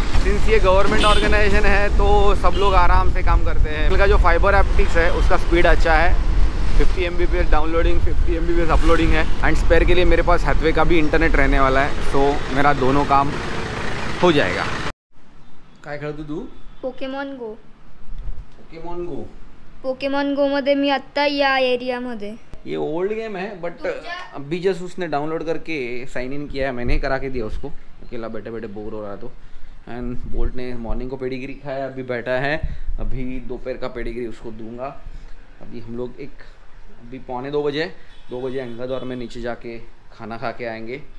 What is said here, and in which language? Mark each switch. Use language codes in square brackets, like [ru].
[hi] Since ये government organisation है तो सब लोग आराम से काम करते हैं। इनका जो फाइबर ऑप्टिक्स है उसका स्पीड अच्छा है, 50 Mbps डाउनलोडिंग, 50 Mbps अपलोडिंग है, एंड स्पेयर के लिए मेरे पास हैथवे का भी इंटरनेट रहने वाला है, सो मेरा दोनों काम हो जाएगा। [mr] काय खेळतो तू? पोकेमॉन गो। पोकेमॉन गो? पोकेमॉन गो मध्ये मी आता या एरिया मध्ये। [hi] ये ओल्ड गेम है बट अभी जस्ट उसने डाउनलोड करके साइन इन किया है, मैंने करा के दिया उसको, अकेला बैठे बैठे बोर हो रहा। तो एंड बोल्ट ने मॉर्निंग को पेडिग्री खाया, अभी बैठा है, अभी दोपहर का पेडिग्री उसको दूंगा। अभी हम लोग एक अभी 2:45 अंगद और मैं नीचे जाके खाना खा के आएंगे।